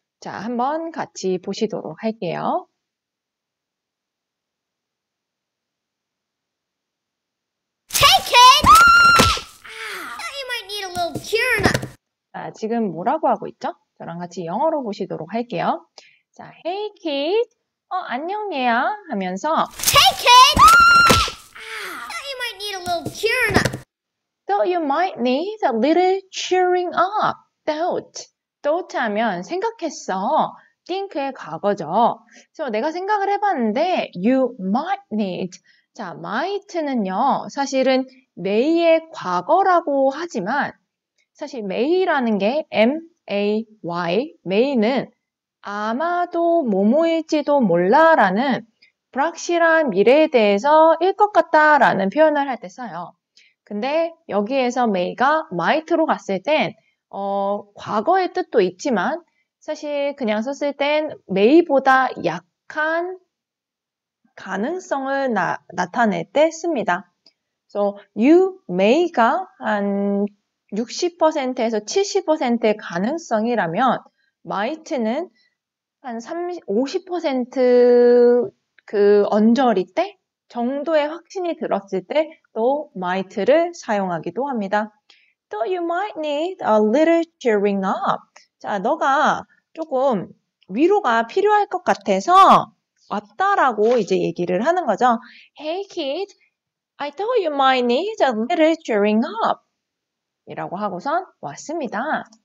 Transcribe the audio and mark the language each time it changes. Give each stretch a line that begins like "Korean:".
Korean: 자, 한번 같이 보시도록 할게요. Ah! 자, 지금 뭐라고 하고 있죠? 저랑 같이 영어로 보시도록 할게요.
English: 자, Hey kid,
Korean: 안녕 얘야 하면서
English: Thought you might need a little cheering up. Don't.
Korean: Thought 하면 생각했어. Think의 과거죠.
English: So
Korean: 내가 생각을 해봤는데,
English: you might need.
Korean: 자, might는요, 사실은 may의 과거라고 하지만, 사실 may라는 게 may, may는 아마도 뭐뭐일지도 몰라라는 불확실한 미래에 대해서 일것 같다라는 표현을 할때 써요. 근데 여기에서 may가 might로 갔을 땐, 과거의 뜻도 있지만 사실 그냥 썼을 땐 메이보다 약한 가능성을 나타낼 때 씁니다. So you may가 한 60%에서 70%의 가능성이라면 might는 한 30, 50%그 언저리 때 정도의 확신이 들었을 때또 might를 사용하기도 합니다.
English: So you might need a little cheering up.
Korean: 자, 너가 조금 위로가 필요할 것 같아서 왔다라고 이제 얘기를 하는 거죠.
English: Hey kid, I thought you might need a little cheering up.
Korean: 이라고 하고선 왔습니다.